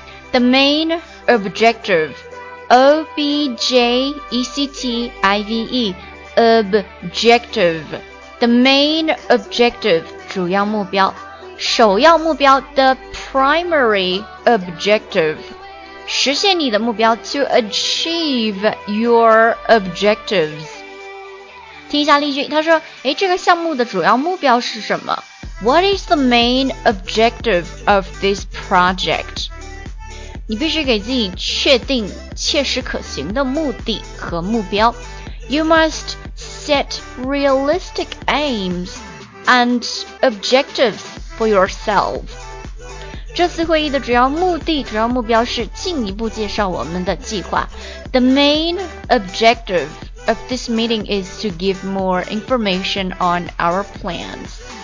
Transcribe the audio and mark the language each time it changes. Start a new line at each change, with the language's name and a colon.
English: the main objectiveObjective objective the main objective
Chinese: 主要目标，首要目标
English: the primary objective
Chinese: 实现你的目标
English: to achieve your objectives。
Chinese: 听一下例句，他说这个项目的主要目标是什么？
English: What is the main objective of this project?
Chinese: 你必须给自己确定切实可行的目的和目标。
English: You must set realistic aims and objectives for yourself。
Chinese: 这次会议的主要目的主要目标是进一步介绍我们的计划。
English: The main objective of this meeting is to give more information on our plans。